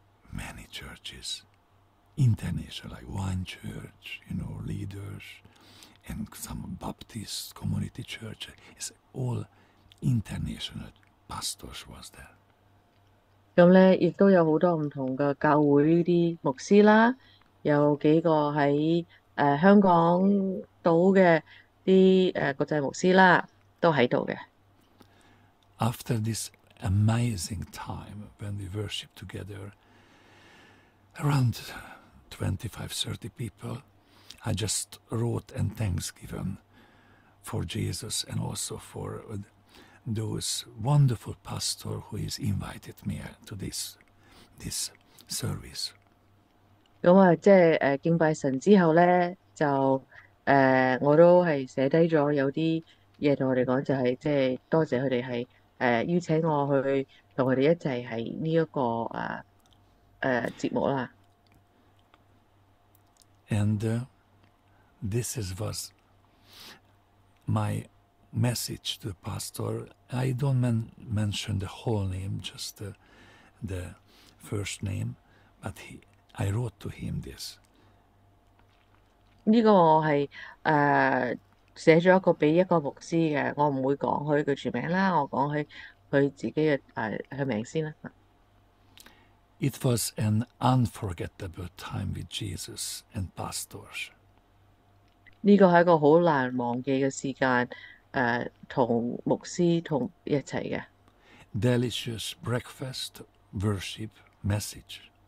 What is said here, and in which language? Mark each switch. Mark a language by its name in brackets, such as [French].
[English] Many churches, international, like one church, you know, leaders, and some Baptist community church. It's all international pastors was there. [Cantonese] 咁咧，亦都有好多唔同嘅教會啲牧師啦，有幾個喺香港島嘅啲國際牧師啦，都喺度嘅。 [English] After this amazing time when we worship together. Around 25-30 people, I just wrote and thanksgiving for Jesus and also for those wonderful pastor who has invited me to this service. [Cantonese] 咁啊，即系敬拜神之后咧，就我都系写低咗有啲嘢同我哋讲，就系即系多谢佢哋系邀请我去同佢哋一齐喺呢一个节目啦。 [English] And this was my message to the pastor. I don't mention the whole name, just the first name, but I wrote to him this. [Cantonese] 呢個我係寫咗一個俾一個牧師嘅，我唔會講佢嘅全名啦，我講佢自己嘅佢名先啦。 [English] It was an unforgettable time with Jesus and pastors. [Cantonese] 呢个系一个好难忘记嘅时间，同牧师同一齐嘅。 [English] Delicious breakfast, worship, message.